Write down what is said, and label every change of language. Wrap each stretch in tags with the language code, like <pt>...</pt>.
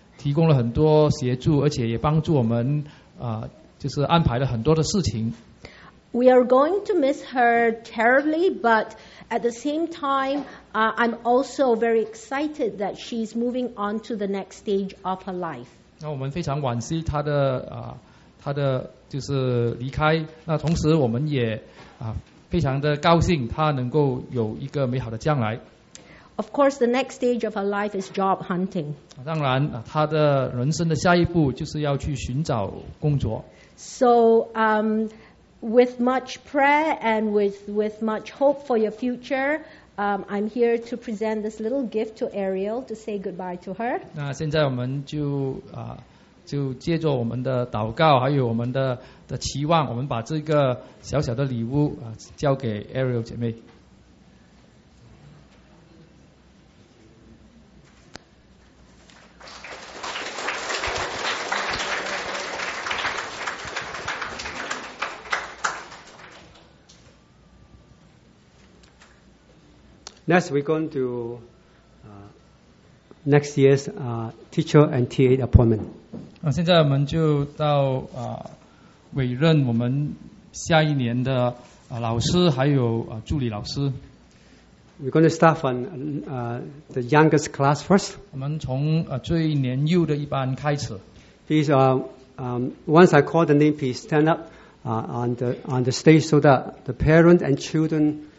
<zh>她在我们的班上也提供了很多协助，而且也帮助我们 就是安排了很多的事情。</zh> <en>We are going to miss her terribly, but at the same time, I'm also very excited that she's moving on to the next stage of her life.</en> <zh>那我们非常惋惜她的就是离开，那同时我们也非常的高兴她能够有一个美好的将来。</zh> <en>Of course, the next stage of her life is job hunting.</en> <zh>当然，她的人生的下一步就是要去寻找工作。</zh> <en>So, with much prayer and with much hope for your future, I'm here to present this little gift to Ariel to say goodbye to her.</en> <zh>那现在我们就借着我们的祷告还有我们的期望，我们把这个小小的礼物交给Ariel姐妹。</zh> <en>Next, we're going to next year's teacher and TA appointment.</en> <zh>现在我们就到委任我们下一年的老师还有助理老师。</zh> <en>We're going to start from the youngest class first.</en> <zh>我们从最年幼的一班开始。</zh> <en>Please, once I call the name, please stand up on the stage so that the parents and children.</en>